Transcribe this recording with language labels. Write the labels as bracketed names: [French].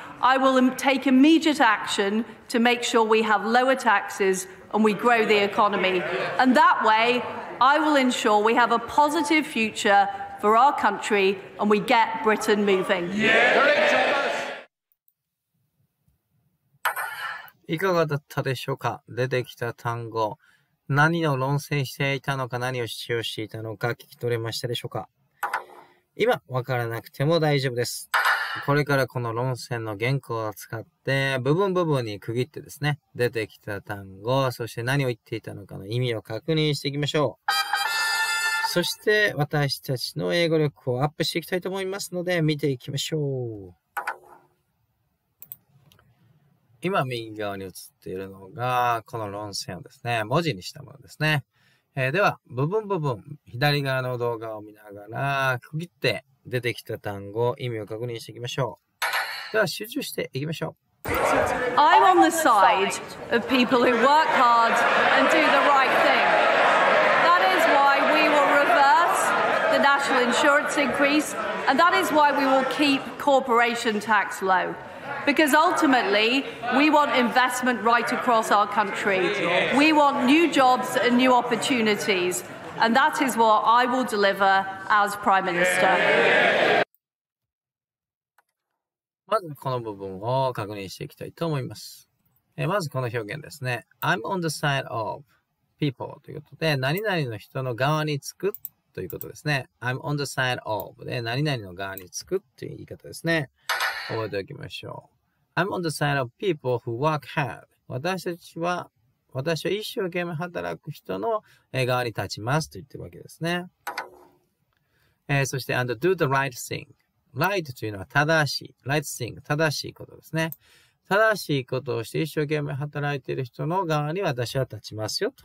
[English] I will take immediate action to make sure we have lower taxes and we grow the economy. And that way, I will ensure we have a positive future for our country and we get Britain moving. Yeah. [Japanese] いかがだったでしょうか。出てきた単語、何を論戦していたのか、何を主張していたのか聞き取れましたでしょうか。今わからなくても大丈夫です。これからこの論戦の原稿を使って部分部分に区切ってですね、出てきた単語、そして何を言っていたのかの意味を確認していきましょう。そして私たちの英語力をアップしていきたいと思いますので見ていきましょう。今右側に映っているのがこの論戦をですね、文字にしたものですね。では部分部分、左側の動画を見ながら区切って出てきた単語、意味を確認していきましょう。では集中していきましょう。 [English] I'm on the side of people who work hard and do the right thing. That is why we will reverse the national insurance increase and that is why we will keep corporation tax low. Because ultimately, we want investment right across our country. We want new jobs and new opportunities. And that is what I will deliver as Prime Minister. ま [Japanese] まずこの部分を確認していきたいと思います。まずこの表現ですね。 [English] I'm on the side of people [Japanese] ということで、何々の人の側につくということですね。 [English] I'm on the side of [Japanese] で、何々の側につくという言い方ですね。覚えておきましょう。 [English] I'm on the side of people who work hard. [Japanese] 私は一生懸命働く人の側に立ちますと言ってるわけですね。そして、 [English] and do the right thing. Right [Japanese] というのは正しい。 Right thing、正しいことですね。正しいことをして一生懸命働いている人の側に私は立ちますよと。